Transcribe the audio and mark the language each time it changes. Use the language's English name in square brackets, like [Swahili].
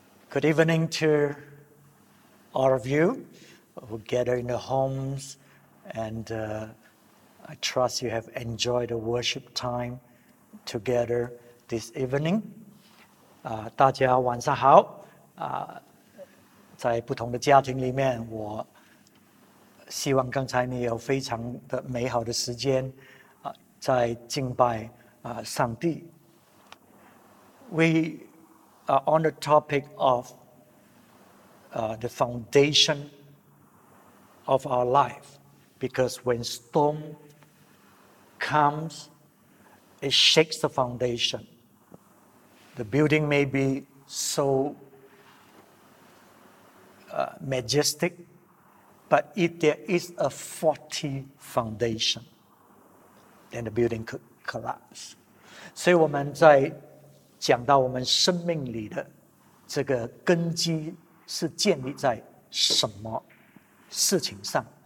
[English] Good evening to all of you who gather in the homes, and I trust you have enjoyed the worship time together this evening. [Chinese] 大家晚上好, 在不同的家庭里面, 我希望刚才你有非常的美好的时间, 在敬拜, 上帝。 [English] We are on the topic of the foundation of our life, because when storm comes, it shakes the foundation. The building may be so majestic, but if there is a faulty foundation, then the building could collapse. [Chinese] 所以我们在讲到我们生命里的这个根基是建立在什么事情上。